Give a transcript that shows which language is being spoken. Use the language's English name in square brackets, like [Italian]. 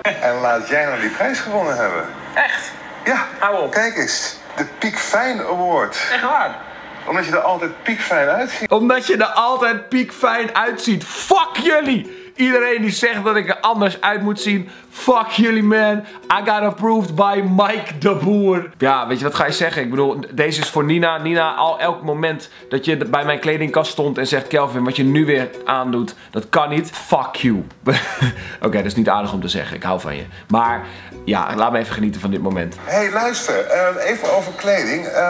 [Dutch] En laat jij nou die prijs gewonnen hebben. Echt? Ja. Hou op. Kijk eens, de Peak Fine Award. Echt waar? Omdat je er altijd piek fijn uitziet. Omdat je er altijd piek fijn uitziet. Fuck jullie! Iedereen die zegt dat ik er anders uit moet zien. Fuck jullie, man. [English] I got approved by Mike de Boer. [Dutch] Ja, weet je, wat ga je zeggen? Ik bedoel, deze is voor Nina. Nina, al elk moment dat je bij mijn kledingkast stond en zegt, Kelvin, wat je nu weer aandoet, dat kan niet. [English] Fuck you. [Dutch] Oké, dat is niet aardig om te zeggen. Ik hou van je. Maar, ja, laat me even genieten van dit moment. Hey, luister. Even over kleding.